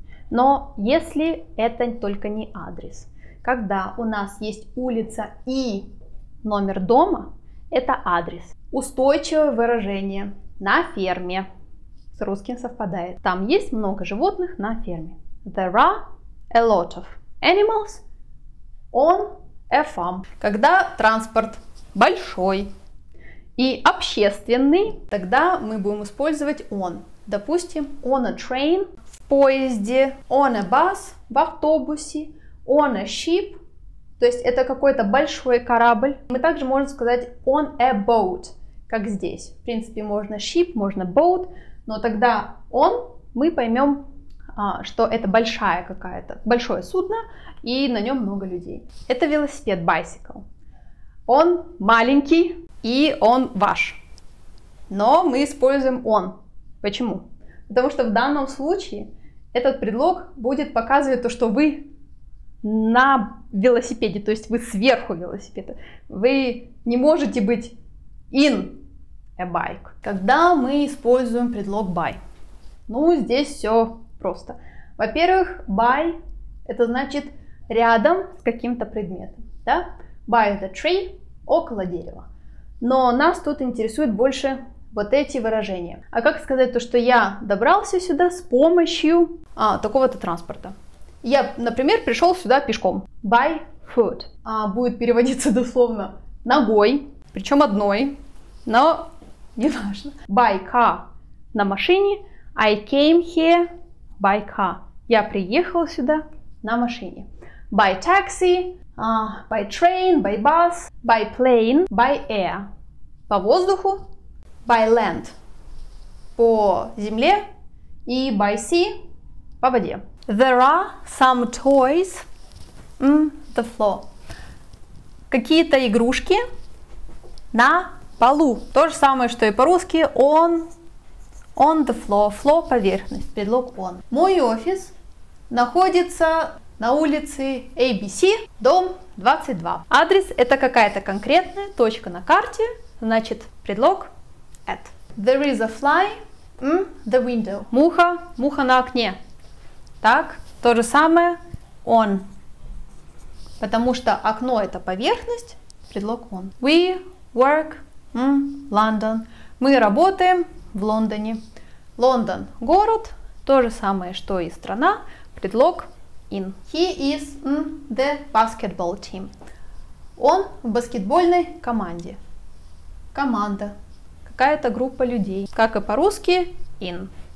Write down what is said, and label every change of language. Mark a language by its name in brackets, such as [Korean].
[Russian] Но если это только не адрес. Когда у нас есть улица и номер дома, это адрес. Устойчивое выражение. На ферме. С русским совпадает. Там есть много животных на ферме. [English] There are a lot of animals on a farm. [Russian] Когда транспорт большой и общественный, тогда мы будем использовать on. Допустим, [English] on a train, [Russian] в поезде, [English] on a bus, [Russian] в автобусе, [English] on a ship. [Russian] То есть это какой-то большой корабль. Мы также можем сказать [English] on a boat, [Russian] как здесь. В принципе, можно ship, можно boat. Но тогда он, мы поймем, что это большая какая-то, большое судно, и на нем много людей. Это велосипед, bicycle. Он маленький, и он ваш. Но мы используем он. Почему? Потому что в данном случае этот предлог будет показывать то, что вы на велосипеде, то есть вы сверху велосипеда. Вы не можете быть [English] in a bike. [Russian] Когда мы используем предлог by? Ну, здесь все просто. Во-первых, by — это значит рядом с каким-то предметом, да? [English] By the tree — [Russian] около дерева. Но нас тут интересуют больше вот эти выражения. А как сказать то, что я добрался сюда с помощью такого-то транспорта? Я, например, пришел сюда пешком. [English] By foot. [Russian] Будет переводиться дословно ногой, причем одной, но не важно. [English] By car — [Russian] на машине. [English] I came here by car. [Russian] Я приехал сюда на машине. [English] By taxi, by train, by bus, by plane, by air — [Russian] по воздуху. [English] By land [Russian] — по земле. И [English] by sea [Russian] — по воде. [English] There are some toys on the floor. [Russian] Какие-то игрушки на полу. То же самое, что и по-русски [English] on the floor. [Russian] Floor — поверхность, предлог on. Мой офис находится на улице ABC, дом 22. Адрес — это какая-то конкретная точка на карте, значит предлог at. [English] There is a fly in the window. [Russian] Муха, муха на окне. Так, то же самое on. Потому что окно — это поверхность, предлог on. [English] We work in London. [Russian] Мы работаем в Лондоне. Лондон — город, то же самое, что и страна, предлог in. [English] He is in the basketball team. [Russian] Он в баскетбольной команде. Команда — какая-то группа людей. Как и по-русски in.